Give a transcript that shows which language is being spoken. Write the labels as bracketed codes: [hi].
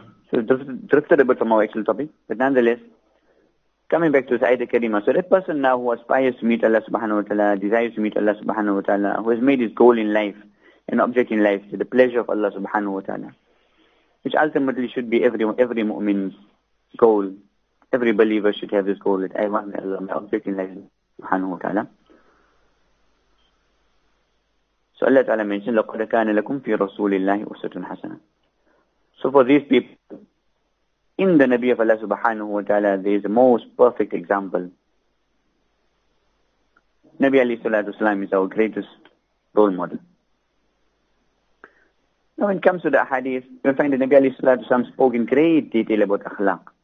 [en] So drifted a bit from our actual topic, but nonetheless, coming back to this ayat al-Karima, so that person now who aspires to meet Allah subhanahu wa ta'ala, desires to meet Allah subhanahu wa ta'ala, who has made his goal in life, an object in life, to the pleasure of Allah subhanahu wa ta'ala, which ultimately should be every mu'min's goal, every believer should have this goal, that I want Allah, my object in life, subhanahu wa ta'ala. So Allah ta'ala mentioned, [ar] لَقَدَ كَانَ لَكُمْ فِي رَسُولِ اللَّهِ أُسْوَةٌ حَسَنَةٌ. [en] So for these people, in the Nabi of Allah subhanahu wa ta'ala, there is the most perfect example. Nabi alayhi salatu wasalam is our greatest role model. Now when it comes to the hadith, you'll find that Nabi alayhi salatu wasalam spoke in great detail about akhlaq.